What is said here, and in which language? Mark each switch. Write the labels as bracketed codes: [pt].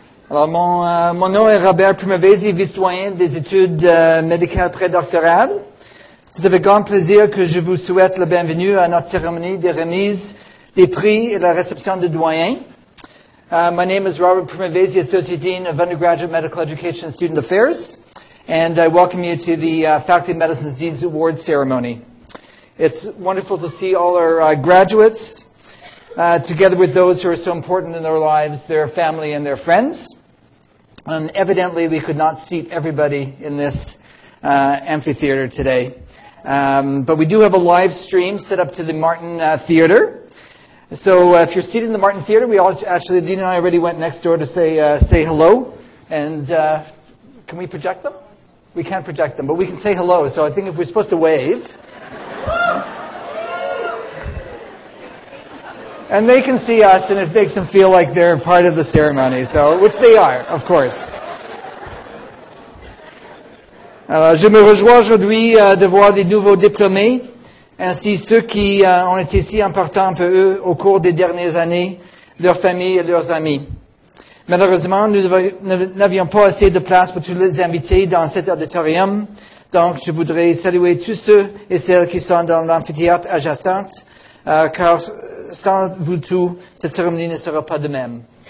[fr] Alors, mon nom est Robert Primavesi, vice-doyen des études médicales prédoctorales. C'est avec grand plaisir que je vous souhaite la bienvenue à notre cérémonie de remise des prix et la réception de doyens. [en] My name is Robert Primavesi, Associate Dean of Undergraduate Medical Education and Student Affairs, and I welcome you to the Faculty of Medicine's Dean's Award Ceremony. It's wonderful to see all our graduates, together with those who are so important in their lives, their family and their friends. And evidently, we could not seat everybody in this amphitheater today. But we do have a live stream set up to the Martin Theater. So if you're seated in the Martin Theater, Dean and I already went next door to say hello. And can we project them? We can't project them, but we can say hello. So I think if we're supposed to wave. And they can see us, and it makes them feel like they're part of the ceremony, so, which they are, of course. [fr] Alors, je me rejoins aujourd'hui de voir des nouveaux diplômés, ainsi ceux qui ont été si importants pour eux au cours des dernières années, leurs familles et leurs amis. Malheureusement, nous n'avions pas assez de place pour tous les invités dans cet auditorium, donc je voudrais saluer tous ceux et celles qui sont dans l'amphithéâtre adjacente, car sans vous tous, cette cérémonie ne sera pas de même.